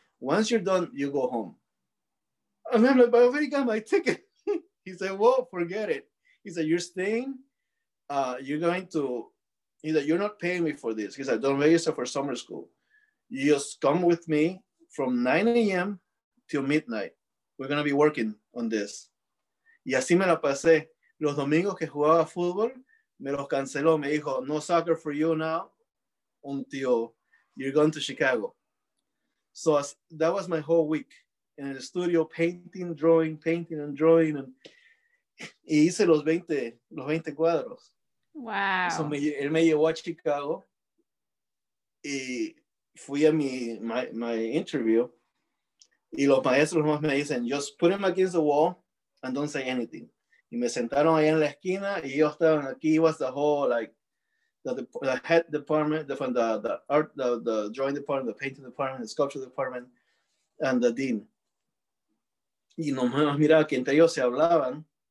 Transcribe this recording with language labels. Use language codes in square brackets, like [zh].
[en] Once you're done, you go home. And I'm like, but I already got my ticket. He said, well, forget it. He said, you're staying, you're not paying me for this. He said, don't register for summer school. You just come with me from 9 a.m. till midnight. We're gonna be working on this. [es] Y así me la pasé. Los domingos que jugaba fútbol, me los canceló. Me dijo, [en] no soccer for you now until you're going to Chicago. So that was my whole week in the studio, painting and drawing. [es] Y hice los 20 cuadros. [en] Wow. [es] So él me llevó a Chicago y fui a [en] my interview. [es] Y los maestros más me dicen, [en] just put him against the wall and don't say anything. [es] Y me sentaron ahí en la esquina y yo estaba aquí. [en] It was the whole, like, the head department, the art, the drawing department, the painting department, the sculpture department, and the dean. [es] Y nomás miraba que entre ellos se hablaban.